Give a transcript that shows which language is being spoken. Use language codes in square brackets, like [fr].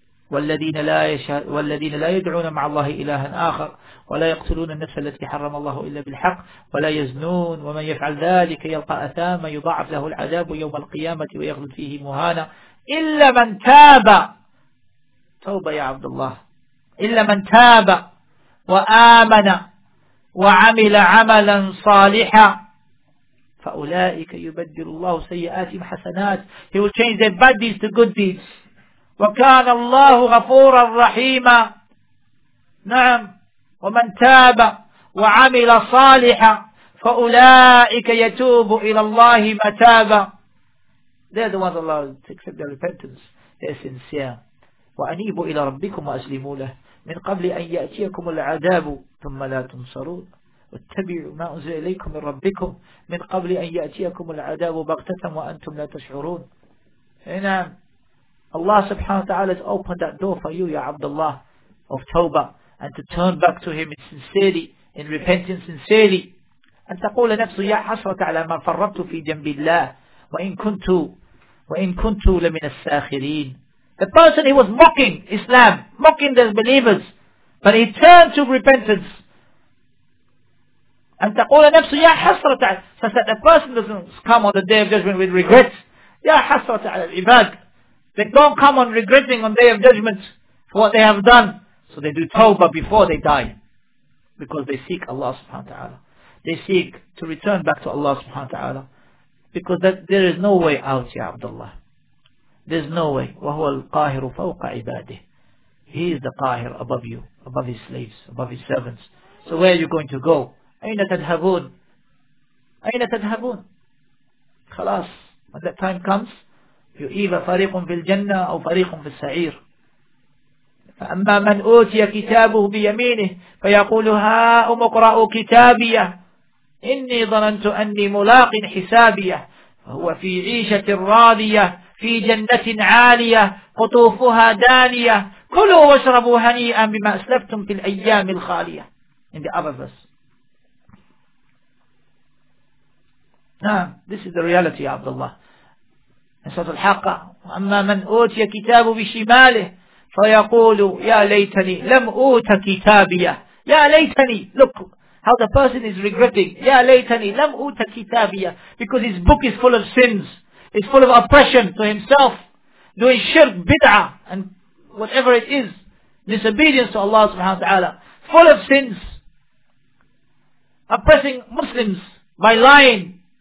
[ar] وَالَّذِينَ لَا يَدْعُونَ مَعَ اللَّهِ إِلَٰهًا آخَرَ وَلَا يَقْتُلُونَ النَّفْسَ الَّتِي حَرَّمَ اللَّهُ إِلَّا بِالْحَقِّ وَلَا يَزْنُونَ وَمَنْ يَفْعَلْ ذَٰلِكَ يَلْقَ أَثَامًا يُضَاعَفْ لَهُ الْعَذَابُ يَوْمَ الْقِيَامَةِ وَيَخْلُدْ فِيهِ مُهَانًا إِلَّا مَنْ تَابَ تَوْبَةً يَا عَبْدُ اللَّهِ إلا من تاب وآمن وعمل عملا صالحا فأولئك يبدل الله سيئاتهم حسنات. [en] He will change their bad deeds to good deeds. [ar] وكان الله غفورا رحيما. نعم. ومن تاب وعمل صالحا فأولئك يتوب إلى الله متابا. [en] They're the ones Allah takes their repentance. They're sincere. [ar] وأنيبوا إلى ربكم وأسلموا له من قبل أن يأتيكم العذاب ثم لا تنصرون. واتبعوا ما أنزل إليكم من ربكم من قبل أن يأتيكم العذاب بغتة وأنتم لا تشعرون. نعم. [en] Allah subhanahu wa ta'ala has opened that door for you, ya Abdullah, of tawbah, and to turn back to him sincerely, in repentance sincerely. [ar] And تقول نفسه يا حسرة على ما فرطت في جنب الله وإن كنت لمن الساخرين. [en] The person, he was mocking Islam, mocking the believers, but he turned to repentance. And [ar] تقول نفسه يا حسرة على, [en] such that the person doesn't come on the day of judgment with regret. [ar] يا حسرة على العباد. [en] They don't come on regretting on day of judgment for what they have done. So they do tawbah before they die. Because they seek Allah subhanahu wa ta'ala. They seek to return back to Allah subhanahu wa ta'ala. Because that there is no way out, ya Abdullah. There's no way. [ar] وَهُوَ الْقَاهِرُ فَوْقَ عِبَادِهِ. [en] He is the qahir above you, above his slaves, above his servants. So where are you going to go? [ar] أَيْنَ تَذْهَبُونَ أَيْنَ تَذْهَبُونَ. خلاص. [en] When that time comes, you either [ar] فَرِيقٌ فِي الْجَنَّةِ أو فَرِيقٌ فِي السَّعِيرِ. فَأَمَّا مَنْ أُوْتِيَ كِتَابُهُ بِيَمِينِهِ فَيَقُولُ هَا أُمُقْرَأُ كِتَابِيَهِ إِنِّي ظَنَنْتُ أَنِّي مُلَاقٍ حِسَابِيَهِ هُوَ فِي عِيشَةٍ رَاضِيَةٍ في جنة عالية قطوفها دانية كلوا واشربوا هنيئا بما أسلفتم في الأيام الخالية. [en] In the other verse. نعم, this is the reality, Abdullah. [ar] نسأل الحق. أما من أوتي كتابه بشماله فيقول يا ليتني لم أوت كتابيه. يا ليتني, [en] look how the person is regretting. [ar] يا ليتني لم أوت كتابيه, [en] because his book is full of sins. It's full of oppression to himself, doing shirk, bid'ah, and whatever it is, disobedience to Allah subhanahu wa ta'ala, full of sins, oppressing Muslims by lying.